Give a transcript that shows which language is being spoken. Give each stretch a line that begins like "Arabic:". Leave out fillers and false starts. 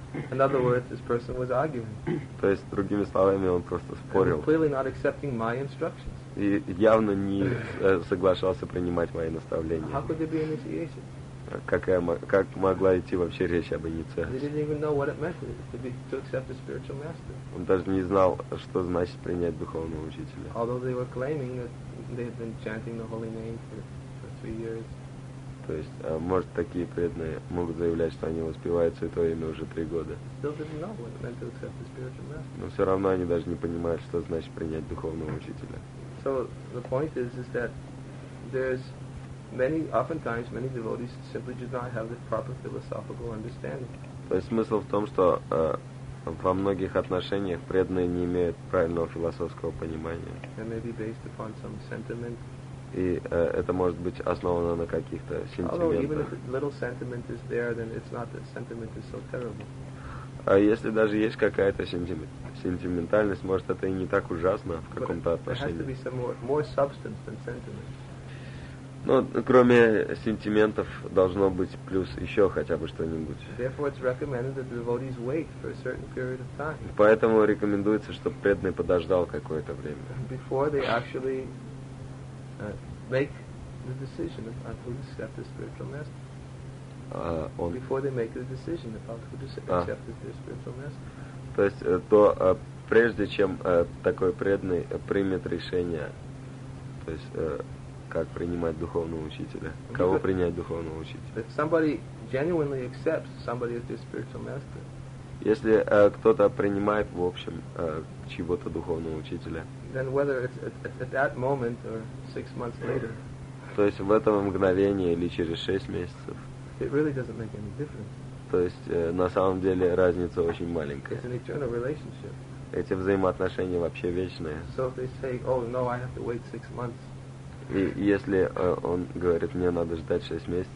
English: In other words, this person was arguing.
Russian: То есть, другими словами, он просто спорил.
English: And clearly not accepting my instructions.
Russian: И явно не соглашался принимать мои наставления.
English: How could there be initiation?
Russian: как могла идти вообще речь об инициации.
English: He didn't even know what it meant to accept the spiritual master.
Russian: Он даже не знал, что значит принять духовного учителя.
English: Although they were claiming that they had been chanting the holy name for 3 years.
Russian: То есть, может, такие преданные могут заявлять, что они воспевают святое имя уже 3 года.
English: Still didn't know what it meant to accept the spiritual master.
Russian: Но все равно они даже не понимают, что значит принять духовного учителя.
English: So the point is that there's many, oftentimes, many devotees simply do not have the proper philosophical understanding.
Russian: То есть смысл в том, что во многих отношениях преданные не имеют правильного философского понимания.
English: And maybe based upon some sentiment.
Russian: И это может быть основано на каких-то сентиментах.
English: Although even if little sentiment is there, then it's not that sentiment is so terrible.
Russian: А если даже есть какая-то сентиментальность, может, это и не так ужасно в каком-то отношении.
English: But it has to be some more substance than sentiment.
Russian: Но кроме сентиментов должно быть плюс еще хотя бы что-нибудь.
English: Therefore, it's recommended that devotees wait for a certain period of time.
Russian: Поэтому рекомендуется, чтобы преданный подождал какое-то время.
English: Before they actually make the decision about who to accept the spiritual master. Before they make the decision about who to accept the spiritual master.
Russian: То есть то прежде чем такой преданный примет решение, то есть как принимать духовного учителя? Кого принять духовного учителя?
English: If somebody genuinely accepts somebody as their spiritual master.
Russian: Если кто-то принимает, в общем, чьего-то духовного учителя.
English: Then whether it's at that moment or 6 months later.
Russian: То есть в этом мгновении или через 6 месяцев.
English: It really doesn't make any difference.
Russian: То есть на самом деле разница очень маленькая.
English: It's an eternal relationship.
Russian: Эти взаимоотношения вообще вечные.
English: So if they say, oh no, I have to wait 6 months.
Russian: И если он говорит, мне надо ждать 6 месяцев,